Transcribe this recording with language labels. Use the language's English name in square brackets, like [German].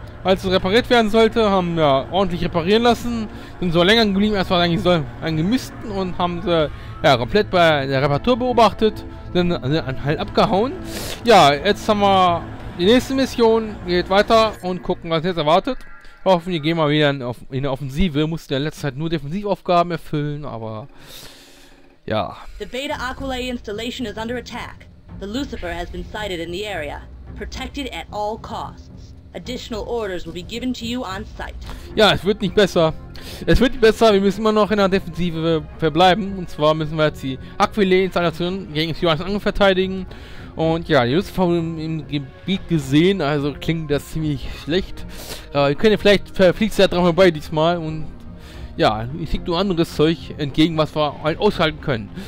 [German] Als es repariert werden sollte, haben wir ordentlich reparieren lassen, sind so länger geblieben, als wir eigentlich sollen, angemüssten und haben sie komplett bei der Reparatur beobachtet, dann sind halt abgehauen. Ja, jetzt haben wir die nächste Mission, geht weiter und gucken, was jetzt erwartet. Hoffen, wir gehen mal wieder in die Offensive. Wir mussten ja in letzter Zeit nur Defensivaufgaben erfüllen, aber ja. [English] The Beta Aquilae installation is under attack. The Lucifer has been sighted in the area. Protected at all costs. Additional orders will be given to you on site. [German] Ja, es wird nicht besser. Es wird nicht besser. Wir müssen immer noch in der Defensive verbleiben. Und zwar müssen wir jetzt die Aquilae Installation gegen die Johannes Angriff verteidigen. Und ja, die Lucifer haben wir im Gebiet gesehen, also klingt das ziemlich schlecht. Wir können vielleicht fliegst du ja dran vorbei diesmal und ja, ich schicke nur anderes Zeug entgegen, was wir halt aushalten können.